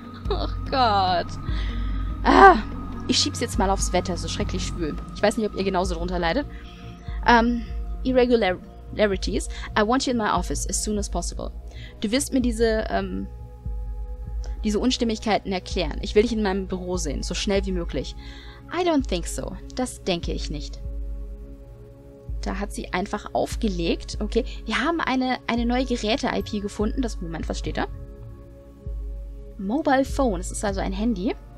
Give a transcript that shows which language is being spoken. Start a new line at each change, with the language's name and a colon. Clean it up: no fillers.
German: Oh Gott. Ah, ich schieb's jetzt mal aufs Wetter, so schrecklich schwül. Ich weiß nicht, ob ihr genauso drunter leidet.
English: Irregularities. I want you in my office as soon as possible.
German: Du wirst mir diese Unstimmigkeiten erklären. Ich will dich in meinem Büro sehen, so schnell wie möglich.
English: I don't think so.
German: Das denke ich nicht. Da hat sie einfach aufgelegt. Okay, wir haben eine neue Geräte-IP gefunden. Das Moment, was steht da? Mobile Phone. Es ist also ein Handy.